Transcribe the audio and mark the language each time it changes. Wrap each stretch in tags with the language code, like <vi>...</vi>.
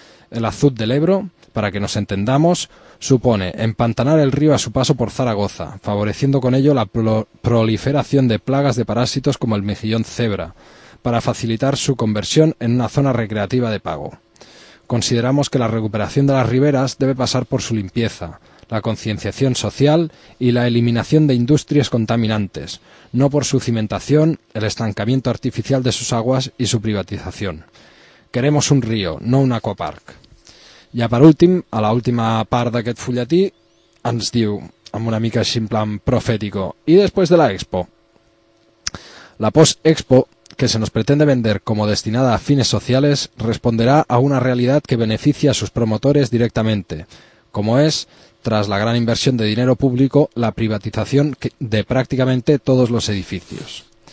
<es>El Azud del Ebro, para que nos entendamos, supone empantanar el río a su paso por Zaragoza, favoreciendo con ello la proliferación de plagas de parásitos como el mejillón cebra, para facilitar su conversión en una zona recreativa de pago. Consideramos que la recuperación de las riberas debe pasar por su limpieza, la concienciación social y la eliminación de industrias contaminantes, no por su cimentación, el estancamiento artificial de sus aguas y su privatización. Queremos un río, no un aquapark.</es> <ca>Ja per últim, a l'última part d'aquest fulletí, ens diu, amb una mica així</ca> <es>en plan profético,</es> <ca>i després de la Expo.</ca> <es>La post-Expo, que se nos pretende vender como destinada a fines sociales, responderá a una realidad que beneficia a sus promotores directamente, como es, tras la gran inversión de dinero público, la privatización de prácticamente todos los edificios.</es>